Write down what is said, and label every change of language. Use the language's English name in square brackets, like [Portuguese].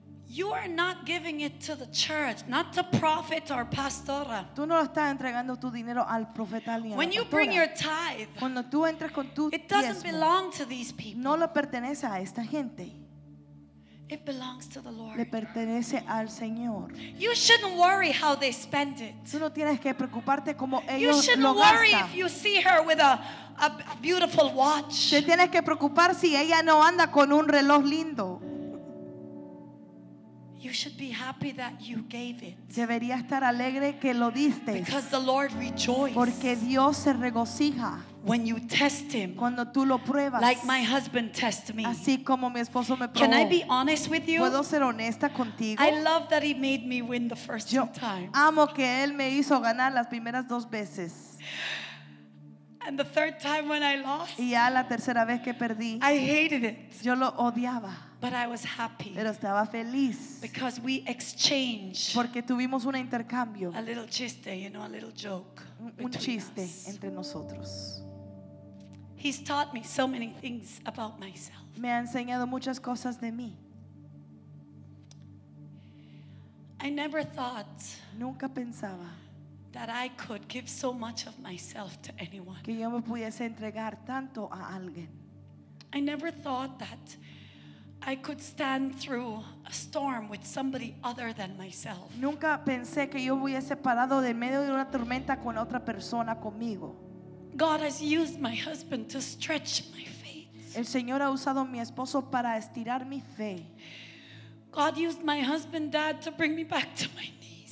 [English] You are not giving it to the church, not to prophet or pastora. [Spanish] Tú no lo estás entregando tu dinero al profeta ni a la pastora. [English] When you bring your tithe, [Spanish] cuando tú entras con tu [English] diezmo, it doesn't belong to these people. [Spanish] No lo pertenece a esta gente. [English] It belongs to the Lord. [Spanish] Le pertenece al Señor. [English] You shouldn't worry how they spend it. [Spanish] Tú no tienes que preocuparte cómo ellos lo gastan. [English] You shouldn't worry if you see her with a beautiful watch. [Spanish] Te tienes que preocupar si ella no anda con un reloj lindo. [English] You should be happy that you gave it. [Spanish] Debería estar alegre que lo diste. [English] Because the Lord rejoices. [Spanish] Porque Dios se regocija. [English] When you test him. [Spanish] Cuando tú lo pruebas. [English] Like my husband tests me. [Spanish] Así como mi esposo me probó. [English] Can I be honest with you? [Spanish] ¿Puedo ser honesta contigo? [English] I love that he made me win the first [Spanish] Yo [English] two times. [Spanish] Amo que él me hizo ganar las primeras dos veces. [English] And the third time when I lost. [Spanish] Y ya la tercera vez que perdí. [English] I hated it. [Spanish] Yo lo odiaba. [English] But I was happy. [Spanish] Pero estaba feliz. [English] Because we exchanged. [Spanish] Porque tuvimos un intercambio. [English] A little chiste, you know, a little joke. [Spanish] Un chiste entre nosotros. [English] He's taught me so many things about myself. [Spanish] Me ha enseñado muchas cosas de mí. [English] I never thought. [Spanish] Nunca pensaba. [English] That I could give so much of myself to anyone. [Spanish] Que yo me pudiese entregar tanto a alguien. [English] I never thought that I could stand through a storm with somebody other than myself. [Spanish] Nunca pensé que yo hubiese parado de medio de una tormenta con otra persona conmigo. [English] God has used my husband to stretch my faith. [Spanish] El Señor ha usado mi esposo para estirar mi fe. [English] God used my husband, Dad, to bring me back to my knees.